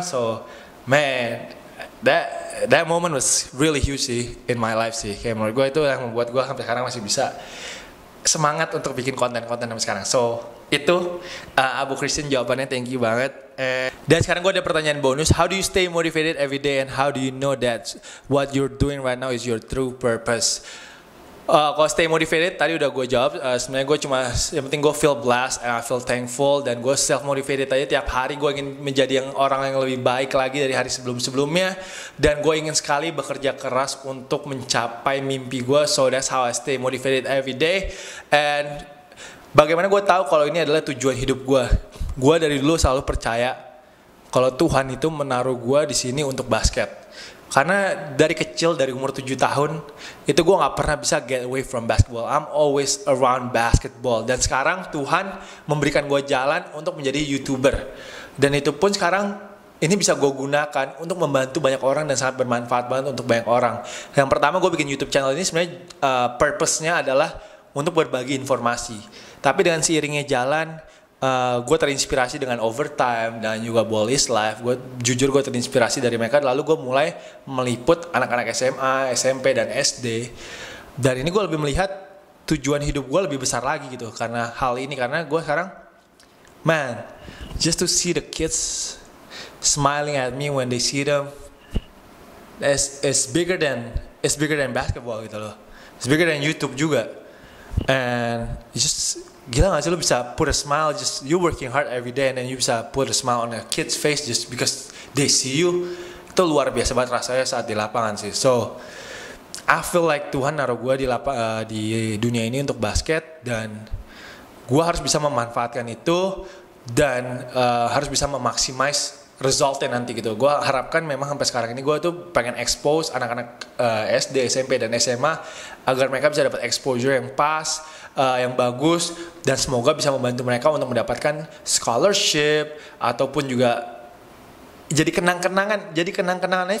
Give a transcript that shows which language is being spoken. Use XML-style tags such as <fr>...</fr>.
<en>So man, That moment was really huge sih in my life sih.</en> <id>Kayak menurut gue itu yang membuat gue sampai sekarang masih bisa semangat untuk bikin konten-konten sampai sekarang. So itu Abu Christian jawabannya,</id> <en>thank you</en> <id>banget. Dan sekarang gue ada pertanyaan bonus.</id> <en>How do you stay motivated every day and how do you know that what you're doing right now is your true purpose?</en> <id>Kalau stay motivated tadi udah gue jawab. Sebenarnya gue cuma yang penting gue</id> <en>feel blessed and I feel thankful,</en> <id>dan gue self motivated aja tiap hari. Gue ingin menjadi yang orang yang lebih baik lagi dari hari sebelumnya, dan gue ingin sekali bekerja keras untuk mencapai mimpi gue.</id> <en>So that's how I stay motivated every day.</en> <id>And bagaimana gue tahu kalau ini adalah tujuan hidup gue? Gue dari dulu selalu percaya kalau Tuhan itu menaruh gue di sini untuk basket. Karena dari kecil, dari umur 7 tahun, itu gue gak pernah bisa</id> <en>get away from basketball. I'm always around basketball.</en> <id>Dan sekarang Tuhan memberikan gue jalan untuk menjadi YouTuber. Dan itu pun sekarang ini bisa gue gunakan untuk membantu banyak orang dan sangat bermanfaat banget untuk banyak orang. Yang pertama, gue bikin YouTube channel ini sebenarnya purpose-nya adalah untuk berbagi informasi. Tapi dengan seiringnya jalan, gue terinspirasi dengan Overtime dan juga Ball Is Life. Gue terinspirasi dari mereka, lalu gue mulai meliput anak-anak SMA, SMP, dan SD. Dan ini gue lebih melihat tujuan hidup gue lebih besar lagi gitu karena hal ini. Karena gue sekarang,</id> <en>man, just to see the kids smiling at me when they see them, it's bigger than basketball</en> <id>gitu loh.</id> <en>It's bigger than YouTube</en> <id>juga.</id> <en>And just</en> <id>gila gak sih lu bisa</id> <en>put a smile, just you working hard every day, and then you</en> <id>bisa</id> <en>put a smile on a kid's face just because they see you.</en> <id>Itu luar biasa banget rasanya saat di lapangan sih. So</id> <en>I feel like</en> <id>Tuhan naruh gue di dunia ini untuk basket, dan gue harus bisa memanfaatkan itu, dan harus bisa memaksimize resultnya nanti gitu. Gue harapkan memang sampai sekarang ini gue tuh pengen expose anak-anak SD, SMP, dan SMA agar mereka bisa dapat exposure yang pas, yang bagus, dan semoga bisa membantu mereka untuk mendapatkan scholarship ataupun juga jadi kenang-kenangannya.</id>